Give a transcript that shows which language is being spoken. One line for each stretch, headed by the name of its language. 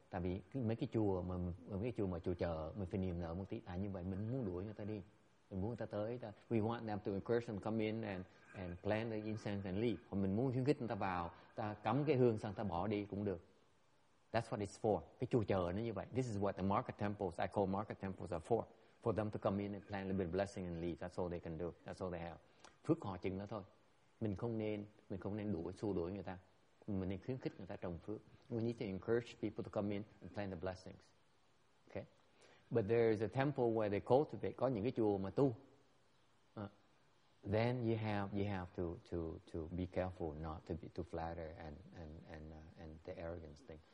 Vietnamese: Tại vì mấy cái chùa chờ mình phải niềm nở một tí. Tại như vậy mình muốn đuổi người ta đi. Mình muốn người ta tới.
English: We want them to encourage them to come in and plant the incense and leave.
Vietnamese: Hoặc mình muốn khuyến khích người ta vào, ta cắm cái hương xong ta bỏ đi cũng được.
English: That's what it's for.
Vietnamese: Cái chùa chờ nó như vậy.
English: This is what the market temples, I call market temples, are for. For them to come in and plant a little bit of blessing and leave. That's all they can do. That's all they have.
Vietnamese: Phước họ chừng đó thôi. Mình không nên đuổi, xua đuổi người ta. Mình nên khuyến khích người ta trồng phước.
English: We need to encourage people to come in and plant the blessings. Okay? But there is a temple where they cultivate.
Vietnamese: Có những cái chùa mà tu.
English: Then you have to be careful not to be too flatter and the arrogance thing.